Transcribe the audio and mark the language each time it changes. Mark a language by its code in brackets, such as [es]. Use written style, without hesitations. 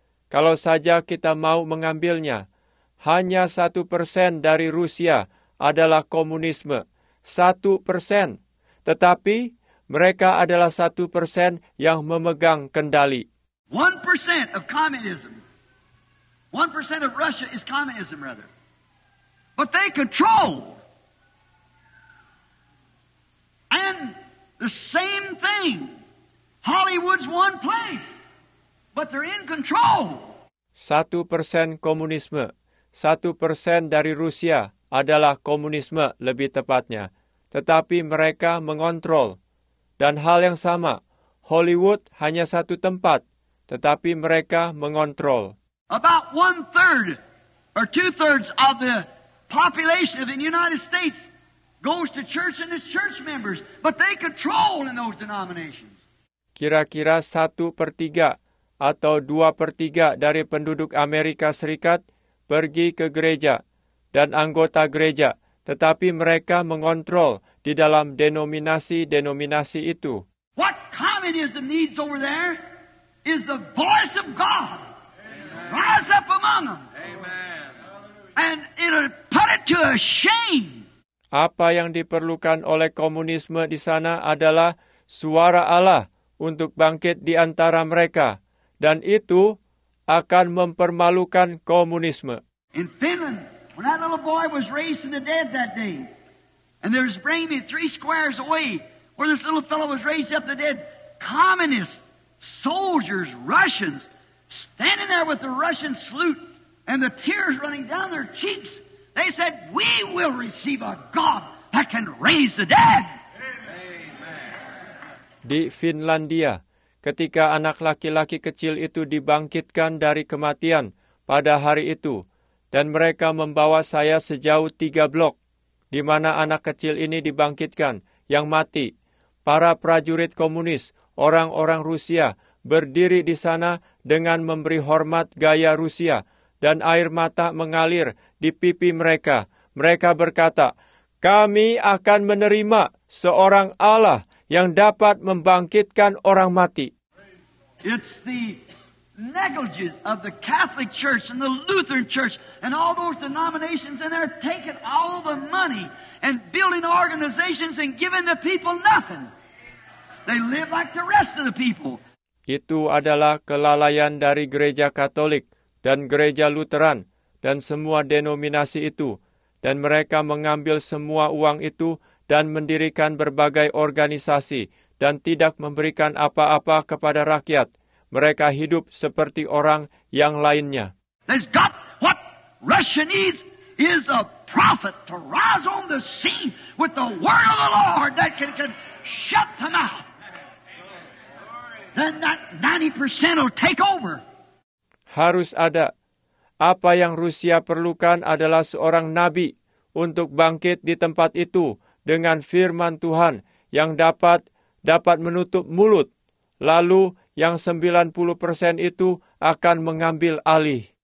[id] Kalau saja kita mau mengambilnya, hanya 1% dari Rusia adalah komunisme. 1%. Tetapi mereka adalah 1% yang memegang kendali. [en] 1% of communism. 1% of Russia is communism, rather. But they control. And the same thing. Hollywood's one place, but they're in control. [id] 1% komunisme, 1% dari Rusia adalah komunisme lebih tepatnya. Tetapi mereka mengontrol. Dan hal yang sama, Hollywood hanya satu tempat, tetapi mereka mengontrol. [en] About 1/3 or 2/3 of the population of the United States goes to church and its church members, but they control in those denominations. [id] Kira-kira 1/3 atau 2/3 dari penduduk Amerika Serikat pergi ke gereja dan anggota gereja, tetapi mereka mengontrol di dalam denominasi-denominasi itu. [en] What communism needs over there is the voice of God. Amen. Rise up among them. Amen. And it'll put it to a shame. [id] Apa yang diperlukan oleh komunisme di sana adalah suara Allah untuk bangkit di antara mereka, dan itu akan mempermalukan komunisme. [en] In Finland, when that little boy was raised from the dead that day, and there was Bremen, 3 squares away, where this little fellow was raised up the dead, communist soldiers, Russians, standing there with the Russian salute and the tears running down their cheeks, they said, "We will receive a God that can raise the dead." [id] Di Finlandia, ketika anak laki-laki kecil itu dibangkitkan dari kematian pada hari itu, dan mereka membawa saya sejauh 3 blok, di mana anak kecil ini dibangkitkan, yang mati. Para prajurit komunis, orang-orang Rusia, berdiri di sana dengan memberi hormat gaya Rusia, dan air mata mengalir di pipi mereka. Mereka berkata, "Kami akan menerima seorang Allah yang dapat membangkitkan orang mati." [en] It's the negligence of the Catholic Church and the Lutheran Church and all those denominations, and they're taking all the money and building organizations and giving the people nothing. They live like the rest of the people. [id] Itu adalah kelalaian dari gereja Katolik dan gereja Lutheran dan semua denominasi itu, dan mereka mengambil semua uang itu dan mendirikan berbagai organisasi, dan tidak memberikan apa-apa kepada rakyat. Mereka hidup seperti orang yang lainnya. [en] There's got what Russia needs is a prophet to rise on the scene with the word of the Lord that can shut the mouth. Then that 90% will take over. [id] Harus ada. Apa yang Rusia perlukan adalah seorang nabi untuk bangkit di tempat itu dengan firman Tuhan yang dapat menutup mulut. Lalu yang 90% itu akan mengambil alih.